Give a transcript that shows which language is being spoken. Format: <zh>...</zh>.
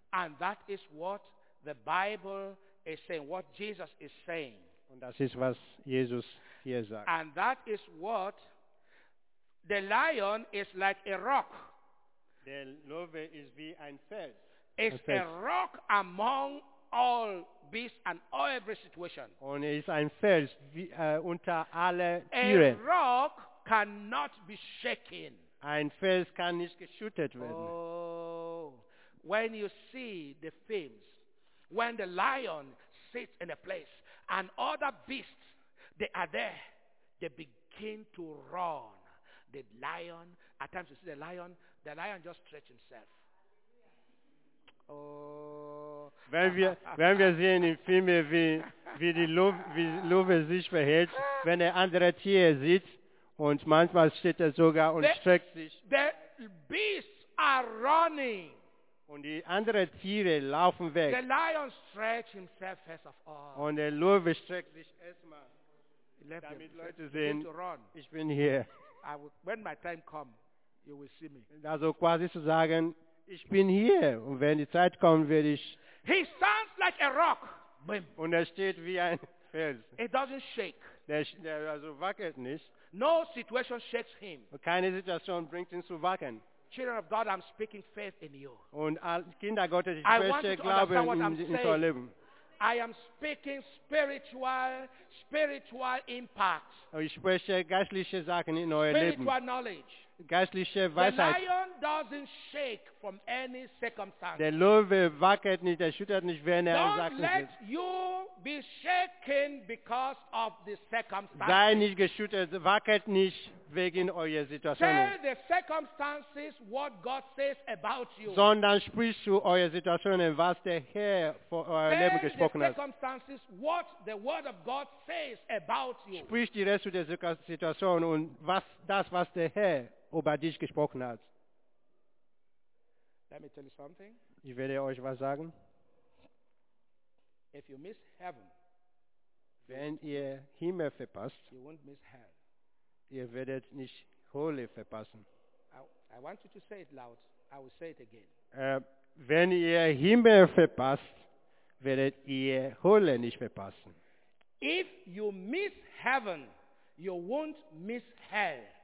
<en>And that is what the Bible is saying. What Jesus is saying.</en> <de>Und das ist was Jesus hier sagt.</de> <en>And that is what the lion is like a rock.</en> <de>Der Löwe ist wie ein Fels.</de> <en>It's a rock among all beasts and all every situation.</en> <de>Und es ist ein Fels unter alle Tiere.</de> <en>A rock cannot be shaken.</en> <de>Ein Fels kann nicht geschüttet werden.</de> <en>Oh, when you see the films, when the lion sits in a place and other beasts, they are there, they begin to roar. The lion, at times you see the lion just stretch himself. Oh.</en> <de>Wenn wir sehen im Film, wie Löwe sich verhält, wenn er andere Tiere sieht, und manchmal steht er sogar und streckt sich.</de> <en>The beasts are running.</en> <de>Und die anderen Tiere laufen weg.</de> <en>The lion stretch himself first of all.</en> <de>Und der Löwe streckt sich erstmal, damit Leute sehen, ich bin hier.</de> <en>When my time comes, you will see me.</en> <de>Also quasi zu sagen, ich bin hier und wenn die Zeit kommt, werde ich.</de> <en>He stands like a rock.</en> <de>Und er steht wie ein Fels.</de> <en>It doesn't shake.</en> <de>Der also wackelt nicht.</de> <en>No situation shakes him.</en> <de>Keine Situation bringt ihn zu wackeln.</de> <en>Children of God, I'm speaking faith in you.</en> <de>Und Kinder Gottes, ich spreche Glauben in euer Leben.</de> <en>I am speaking spiritual impact.</en> <de>Ich spreche geistliche Sachen in euer Leben.</de> <en>Spiritual knowledge.</en> <de>Geistliche Weisheit.</de> <en>The lion doesn't shake from any circumstance.</en> <de>Der Löwe wackelt nicht, er schüttelt nicht, wenn er sagt.</de> <en>Don't let you be shaken because of the circumstances.</en> <de>Sei nicht geschüttelt, wackelt nicht wegen eurer Situation.</de> <en>Tell the circumstances what God says about you.</en> <de>Sondern sprich zu eurer Situation, was der Herr für euer Leben gesprochen hat.</de> <en>Tell the circumstances what the Word of God says about you.</en> <de>Sprich direkt zu der Situation und was der Herr über dich gesprochen hat.</de> <en>Let me tell you something.</en> <de>Ich werde euch was sagen.</de> <en>If you miss heaven,</en> <de>wenn ihr Himmel verpasst,</de> <en>you won't miss hell.</en> <de>Ihr werdet nicht Hölle verpassen.</de> <en>I want you to say it loud. I will say it again.</en> <de>Wenn ihr Himmel verpasst, werdet ihr Hölle nicht verpassen.</de> <en>If you miss heaven, you won't miss hell.</en>